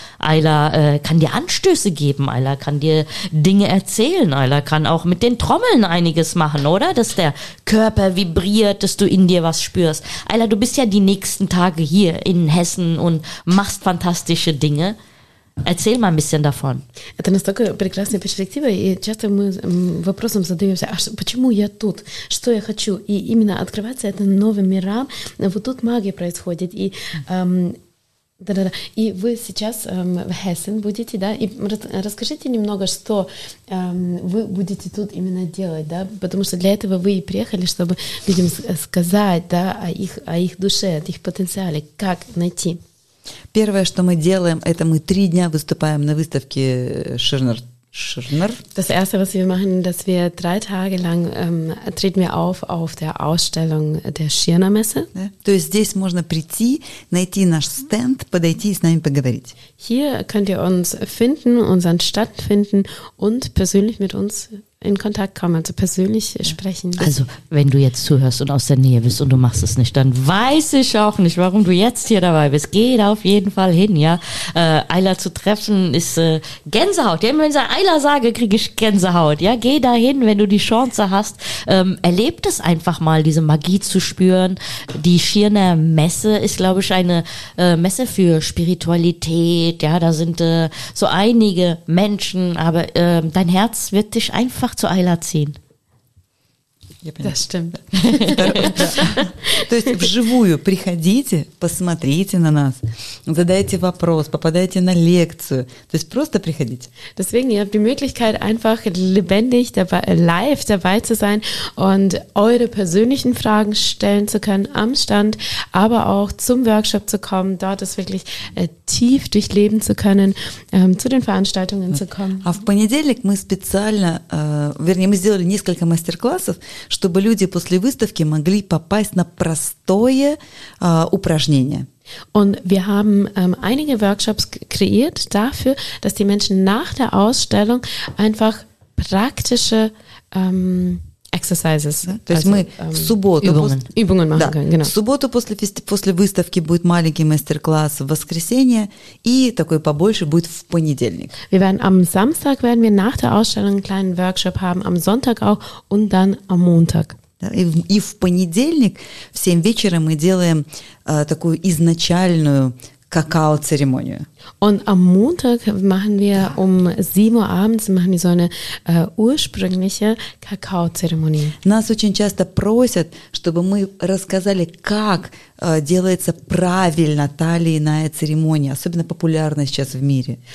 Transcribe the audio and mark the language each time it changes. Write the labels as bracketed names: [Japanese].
[German] Ayla kann dir Anstöße geben, Ayla kann dir Dinge erzählen, Ayla kann auch mit den Trommeln einiges machen, oder? Dass der Körper vibriert, dass du in dir was spürst. Ayla, du bist ja die nächsten Tage hier in Hessen und machst fantastische Dinge. Erzähl mal ein bisschen davon. [Russian] Это настолько прекрасная перспектива, и часто мы вопросом задаемся, а почему я тут? Что я хочу? И именно открывается это новым мирам, вот тут магия происходит. И, да-да-да. И вы сейчас в Хессен будете, да? И расскажите немного, что вы будете тут именно делать, да? Потому что для этого вы и приехали, чтобы людям сказать, да, о их душе, о их потенциале, как найти. Первое, что мы делаем, это мы 3 дня выступаем на выставке Schirner. [German] Das erste, was wir machen, dass wir 3 Tage lang treten wir auf der Ausstellung der Schirner Messe. [Russian] Да? То есть здесь можно прийти, найти наш Stand, подойти и с нами поговорить. [German] Hier könnt ihr uns finden, unseren Stand finden und persönlich mit uns in Kontakt kommen, also persönlich sprechen. Also wenn du jetzt zuhörst und aus der Nähe bist und du machst es nicht, dann weiß ich auch nicht, warum du jetzt hier dabei bist. Geh da auf jeden Fall hin, ja. Ayla zu treffen ist Gänsehaut. Ja, wenn ich Ayla sage, kriege ich Gänsehaut. Ja, geh da hin, wenn du die Chance hast. Erlebt es einfach mal, diese Magie zu spüren. Die Schirner Messe ist, glaube ich, eine Messe für Spiritualität. Ja, da sind so einige Menschen, aber dein Herz wird dich einfach zu Ayla ziehen. Das stimmt. [Russian] То есть вживую приходите, посмотрите на нас, задайте вопрос, попадайте на лекцию. То есть просто приходите. [German] Deswegen, ihr habt die Möglichkeit, einfach lebendig, dabei, live dabei zu sein und eure persönlichen Fragen stellen zu können am Stand, aber auch zum Workshop zu kommen, dort es wirklich tief durchleben zu können, zu den Veranstaltungen zu kommen. [Russian] А в понедельник мы специально, вернее, мы сделали несколько мастер-классов, чтобы люди после выставки могли попасть на простое упражнение. [German] Und wir haben einige Workshops kreiert dafür, dass die Menschen nach der Ausstellung einfach praktische exercises, [Russian] то есть мы в субботу [German] Übungen machen können, genau. [Russian] В субботу после выставки будет маленький мастер-класс, в воскресенье и такой побольше будет в понедельник. [German] Wir werden am Samstag werden wir nach der Ausstellung einen kleinen Workshop haben, am Sonntag auch und dann am Montag. [Russian] И в понедельник в 7 вечера мы делаем такую изначальную Какао-церемонию. [German] Und am Montag machen wir um 7 Uhr abends machen wir so eine ursprüngliche Kakao-Zeremonie. [Russian] Нас очень часто просят, чтобы мы рассказали, как делается правильно та или иная церемония, особенно популярна сейчас в мире.